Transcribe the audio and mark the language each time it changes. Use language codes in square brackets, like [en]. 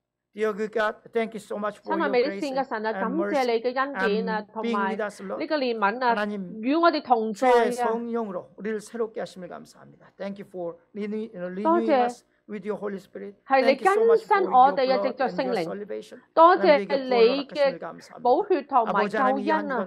[en] Dear good God, thank you so much for your grace and mercy and being with us, Lord. [zh] 하나님, 与我们同在, [ko] 주의 성령으로 우리를 새롭게 하심을 감사합니다. [en] Thank you for renewing us with your Holy Spirit. Thank you so much for your blood and your salvation. [zh] 多谢你的宝血和救恩啊！